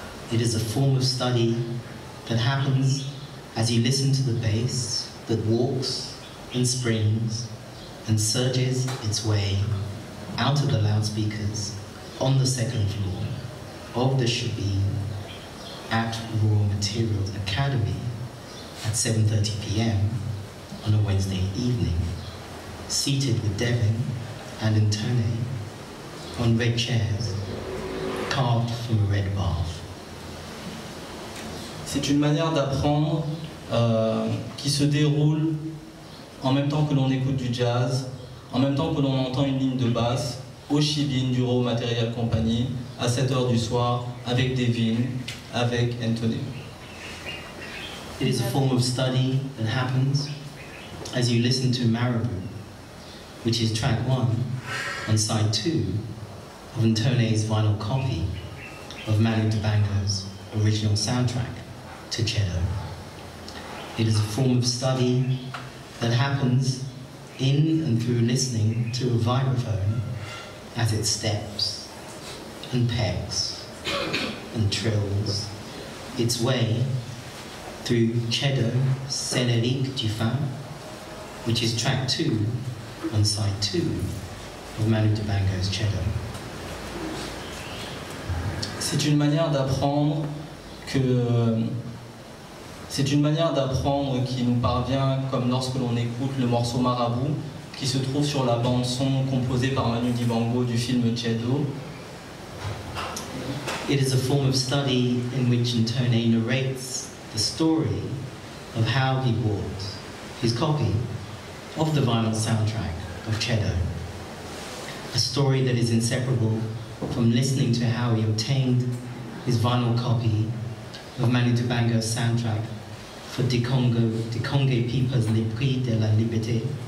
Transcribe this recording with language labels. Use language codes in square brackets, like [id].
[en] It is a form of study that happens as you listen to the bass that walks and springs and surges its way out of the loudspeakers on the second floor of the Shabin at Raw Materials Academy at 7:30 p.m. on a Wednesday evening, seated with Devin and Antone on red chairs carved from a red bath. [fr] C'est une manière d'apprendre qui se déroule en même temps que l'on écoute du jazz, en même temps que l'on entend une ligne de basse au Shabin du Raw Material Company à 7h du soir, avec Devin, avec Anthony. [en] It is a form of study that happens as you listen to Marabou, which is track one on side two of Anthony's vinyl copy of Manu Dibango's original soundtrack to Cello. It is a form of study that happens in and through listening to a vibraphone as it steps and pecks and trills its way through Cedo Celerique du Fin, which is track two on side two of Manu Dibango's Cedo. [fr] C'est une manière d'apprendre que c'est une manière d'apprendre qui nous parvient comme lorsque l'on écoute le morceau Marabout qui se trouve sur la bande son composée par Manu Dibango du film Cedo. [en] It is a form of study in which Antone narrates the story of how he bought his copy of the vinyl soundtrack of Chedo, a story that is inseparable from listening to how he obtained his vinyl copy of Manu Dibango's soundtrack for Dikonge People's Le Prix de la Liberté,